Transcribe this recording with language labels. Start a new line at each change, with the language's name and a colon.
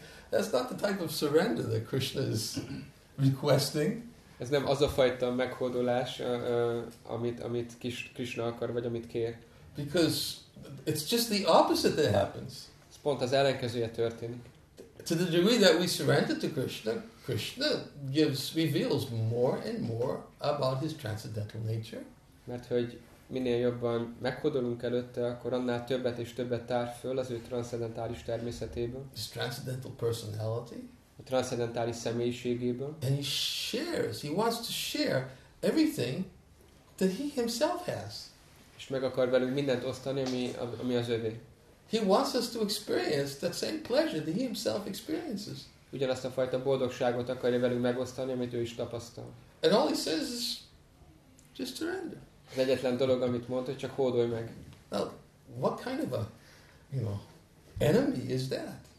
English: That's not the type of surrender that Krishna is requesting.
Hungarian: Ez nem az a fajta meghódolás, amit Krishna akar, vagy amit kér.
English: Because it's just the opposite that happens.
Hungarian: Ez pont az ellenkezője történik.
English: To the degree that we surrender to Krishna, Krishna reveals more and more about his transcendental nature.
Hungarian: Mert hogy minél jobban meghódolunk előtte, akkor annál többet és többet tár föl az ő transzcendentális természetéből.
English: His transcendental personality.
Hungarian: A transzcendentális személyiségéből.
English: And he shares, he wants to share everything that he himself has.
Hungarian: És meg akar velünk mindent osztani, ami az övé.
English: He wants us to experience that same pleasure that he himself experiences.
Hungarian: Ugyanazt a fajta boldogságot akarja velünk megosztani, amit ő is tapasztal.
English: And all he says is, just surrender.
Hungarian: Az egyetlen dolog, amit mond, hogy csak hódolj meg.
English: Now, what kind of a, you know, enemy is that?